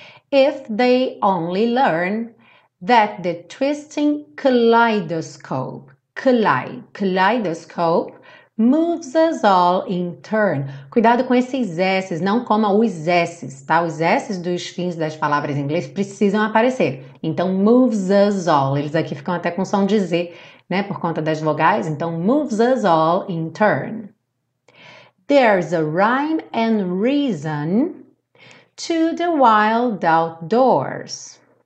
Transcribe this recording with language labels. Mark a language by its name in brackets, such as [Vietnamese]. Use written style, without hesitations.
[English] If they only learn that the twisting kaleidoscope moves us all in turn. [Portuguese] Cuidado com esses S's, não coma os S's, tá? Os S's dos fins das palavras em inglês precisam aparecer. Então, [English] moves us all. [Portuguese] Eles aqui ficam até com som de Z, né? Por conta das vogais. Então, [English] moves us all in turn. There's a rhyme and reason to the wild outdoors.